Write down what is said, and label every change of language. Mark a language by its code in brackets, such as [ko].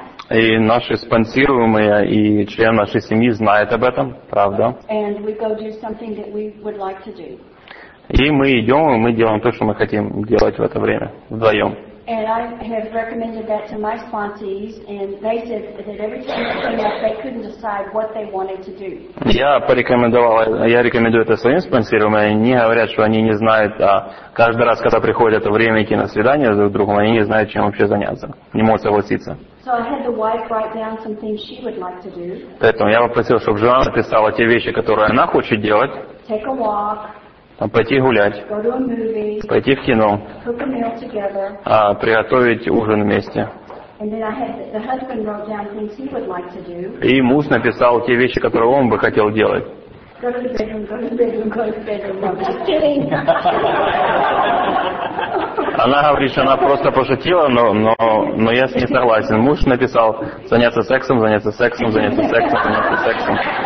[ru] И наши спонсируемые и член нашей семьи знает об этом, правда. И мы идем, и мы делаем то, что мы хотим делать в это время вдвоем. [en] And I have recommended that to my sponsees, and they said that every time they came up, they couldn't decide what they wanted to do. [ru] Я рекомендую это своим спонсорам, и они говорят, что они не знают, а каждый раз, когда приходит время идти на свидание друг с другом, они не знают, чем вообще заняться, не могут согласиться. [en] So I had the wife write down some things she would like to do. [ru] Поэтому я попросил, чтобы жена написала те вещи, которые она хочет делать. [en] Take a walk. [ru] Пойти гулять, [en] go to a movie, [ru] пойти в кино, [en] cook a meal together, [ru] приготовить ужин вместе. [en] And then I had the husband wrote down things he would like to do. [ru] И муж написал те вещи, которые он бы хотел делать. [en] Go to the bedroom, go to the bedroom, go to the bedroom. I'm just kidding. [ru] Она говорит, что она просто пошутила, но я с ней согласен. Муж написал заняться сексом, заняться сексом, заняться сексом, заняться сексом.